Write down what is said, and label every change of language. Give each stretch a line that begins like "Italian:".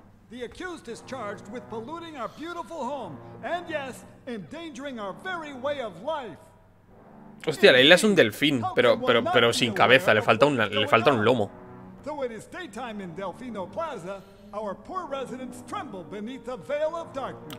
English: The accused is charged with polluting our beautiful home and yes, endangering our very way of life.
Spanish: Hostia, la isla es un delfín, pero sin cabeza, le falta un lomo.
English: Though it is daytime in Delfino Plaza. Our poor residents tremble beneath the veil of darkness.